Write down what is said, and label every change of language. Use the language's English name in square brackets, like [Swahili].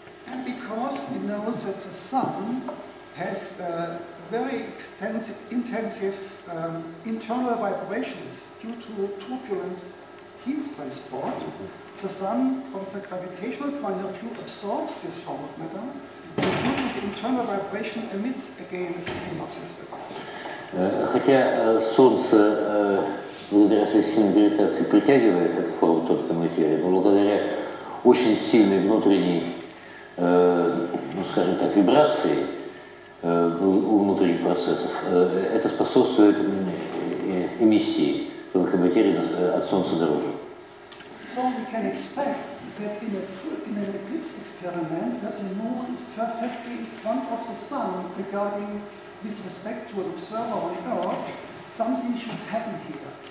[English] And because we know that the sun has very extensive, intensive internal vibrations due to turbulent heat transport, the sun, from the gravitational point of view, absorbs this form of matter, and due to the internal vibration, emits again the stream of this vibration. [Russian] Хотя солнце благодаря своей сильной гравитации притягивает эту форму тонкой материи, но благодаря очень сильной внутренней, ну скажем так, вибрации у внутренних процессов, это способствует эмиссии тонкой материи от Солнца наружу. [English] So we can expect that in an eclipse experiment, that the moon is perfectly in front of the sun regarding with respect to an observer on Earth, something should happen here.